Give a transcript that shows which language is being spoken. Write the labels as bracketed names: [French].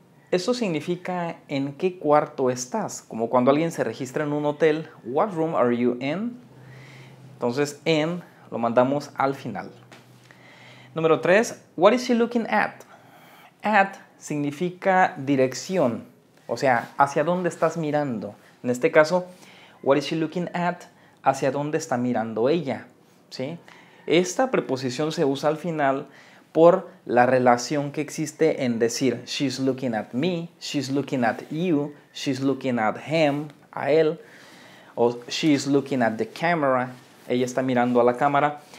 [Spanish] Esto significa en qué cuarto estás, como cuando alguien se registra en un hotel, [English] what room are you in? [Spanish] Entonces, in lo mandamos al final. [English] Número 3, what is she looking at? [Spanish] At significa dirección, o sea, hacia dónde estás mirando. En este caso, [English] what is she looking at? [Spanish] ¿Hacia dónde está mirando ella? ¿Sí? Esta preposición se usa al final por la relación que existe en decir [English] she's looking at me, she's looking at you, she's looking at him, [Spanish] a él, o [English] she's looking at the camera, [Spanish] ella está mirando a la cámara.